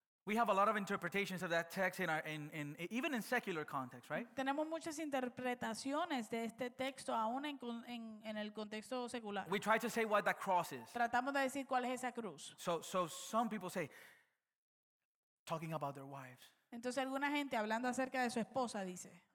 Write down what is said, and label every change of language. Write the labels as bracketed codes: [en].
[en] We have a lot of interpretations of that text in our in even in secular context, right? [es] Tenemos muchas interpretaciones de este texto aún en el contexto secular. [en] We try to say what that cross is. [es] Tratamos de decir cuál es esa cruz. [en] So some people say talking about their wives. [es] Entonces alguna gente hablando acerca de su esposa dice,